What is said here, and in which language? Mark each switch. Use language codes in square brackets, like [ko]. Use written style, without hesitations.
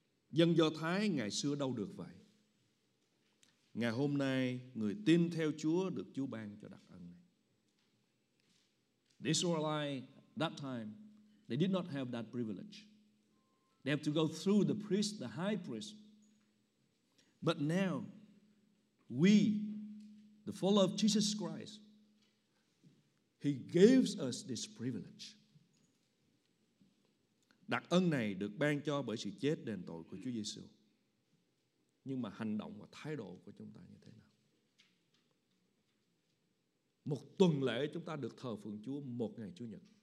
[vi] Dân Do Thái ngày xưa đâu được vậy. Ngày hôm nay người tin theo Chúa được Chúa ban cho đặc ân này. [en] The Israelites that time, they did not have that privilege. They have to go through the priest, the high priest. But now, we, the follower of Jesus Christ, He gives us this privilege. [vi] Đặc ân này được ban cho bởi sự chết đền tội của Chúa Giêsu. Nhưng mà hành động và thái độ của chúng ta như thế nào? Một tuần lễ chúng ta được thờ phượng Chúa một ngày Chủ nhật.